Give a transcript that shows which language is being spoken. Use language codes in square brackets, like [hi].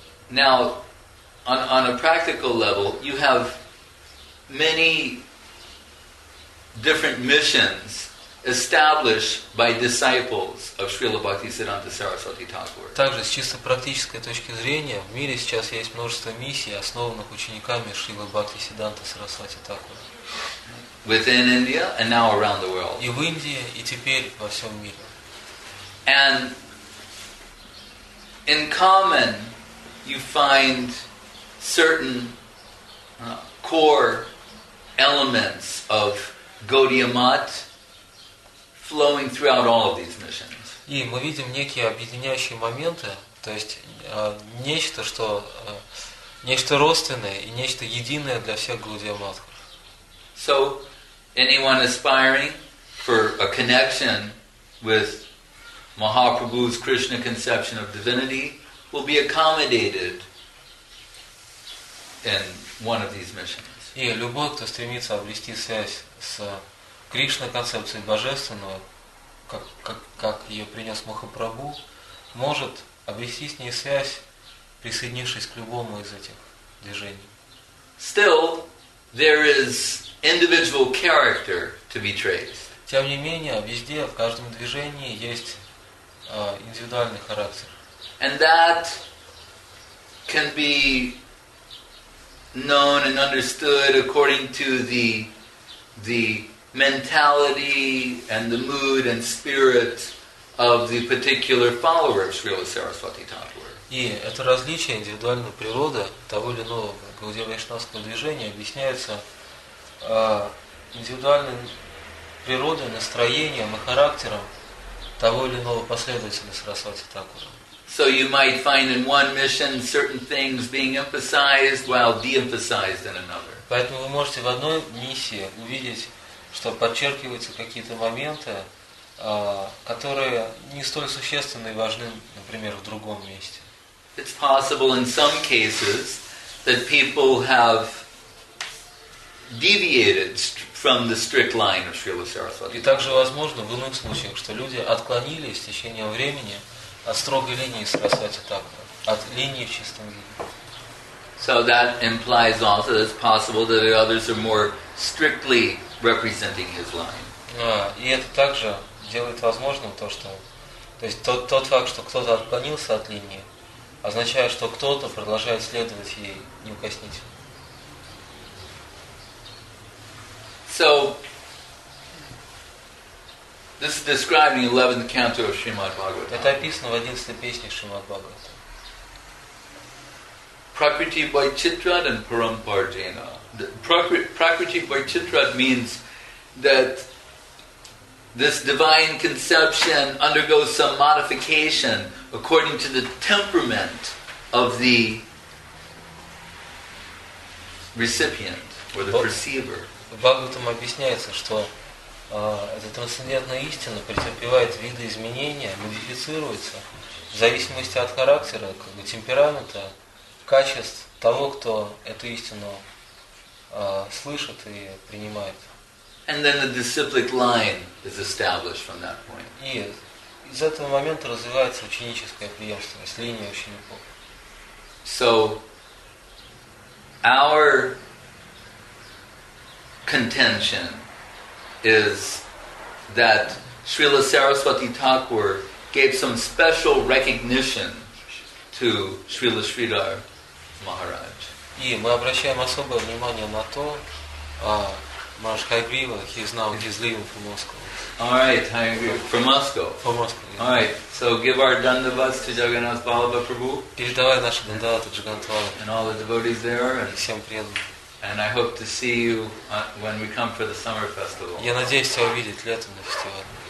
[en] Now, on a practical level, you have many different missions established by disciples of Srila Bhaktisiddhanta Saraswati Thakur. [ru] Также с чисто практической точки зрения в мире сейчас есть множество миссий, основанных учениками Шрилы Бхактисиддханты Сарасвати Такура. [en] Within India and now around the world. [ru] И в Индии, и теперь во всем мире. [en] And in common you find certain core elements of Gaudiya Mat flowing throughout all of these missions. [ru] И мы видим некие объединяющие моменты, то есть нечто, что нечто родственное и нечто единое для всех Gaudiya Mat. [en] So, anyone aspiring for a connection with Mahaprabhu's Krishna conception of divinity will be accommodated in one of these missions. [ru] И любой, кто стремится обрести связь с Кришна концепцией божественного, как ее принес Махапрабху, может обрести с ней связь, присоединившись к любому из этих движений. [en] Still, there is individual character to be traced. [ru] Тем не менее, везде, в каждом движении есть индивидуальный характер. [en] And that can be known and understood according to the mentality and the mood and spirit of the particular follower of Srila Saraswati Thakur. [ru] И это различие индивидуальной природы того или иного Гауди Вайшнавского движения объясняется индивидуальной природой, настроением и характером того или иного последователя Сарасвати Такура. [en] So you might find in one mission certain things being emphasized while de-emphasized in another. [ru] Поэтому вы можете в одной миссии увидеть, что подчеркиваются какие-то моменты, которые не столь существенны и важны, например, в другом месте. [en] It's possible in some cases that people have deviated from the strict line of Srila Saraswati. [ru] И также возможно в иных случаях, что люди отклонились с течением времени от строгой линии Сарасвати Такура, от линии в чистом виде. [en] So that implies also that it's possible that others are more strictly representing his line. [ru] И это также делает возможным то, что, то есть тот факт, что кто-то отклонился от линии, означает, что кто-то продолжает следовать ей неукоснительно. [en] So, this is describing the 11th canto of Srimad Bhagavatam. [ru] Это описано в 11-й песне Шримад Бхагаватам. [en] Prakriti Vaichitrad and Paramparjana. Prakriti Vaichitrad means that this divine conception undergoes some modification according to the temperament of the recipient or the perceiver. [ru] В Бхагаватам объясняется, что эта трансцендентная истина претерпевает виды изменения, модифицируется в зависимости от характера, как бы темперамента, качеств того, кто эту истину слышит и принимает. [en] And then the disciplic line is established from that point. [ru] И из этого момента развивается ученическая преемственность, линия учеников. [en] So our contention is that Srila Saraswati Thakur gave some special recognition to Srila Sridhar Maharaj. [ru] И мы обращаем особое внимание на то, [en] Maharaj Hayagriva, he is now he's leaving for Moscow. All right, Hayagriva, from Moscow. From Moscow. Yeah. All right, so give our dandavas to Jagannath Balabha Prabhu. [ru] Передавай наши дандаваты Джаганнатху Балабху. [en] And all the devotees there. [ru] И всем преданным. [en] And I hope to see you when we come for the summer festival. [ru] Я надеюсь тебя увидеть летом на фестивале.